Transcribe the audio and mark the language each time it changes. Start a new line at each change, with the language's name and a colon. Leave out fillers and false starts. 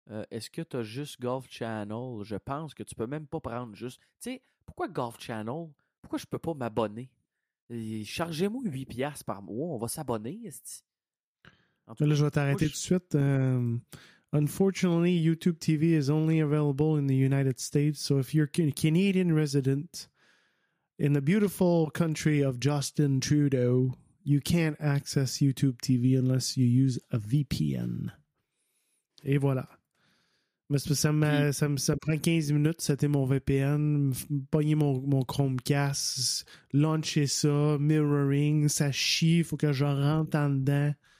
French: Est-ce que tu as juste Golf Channel? Je pense que tu peux même pas prendre juste. Tu sais, pourquoi Golf Channel? Pourquoi je peux pas m'abonner? Chargez-moi 8$ par mois. On va s'abonner, est-ce que... Cas, là, je vais t'arrêter tout de suite.
English: Unfortunately, YouTube TV is only available in the United States. So if you're a Canadian resident in the beautiful country of Justin Trudeau, you can't access YouTube TV unless you use a VPN.
French: Et voilà. Mais ça prend 15 minutes, c'était mon VPN, pogner mon Chromecast, launcher ça, mirroring, ça chie, il faut que je rentre en dedans.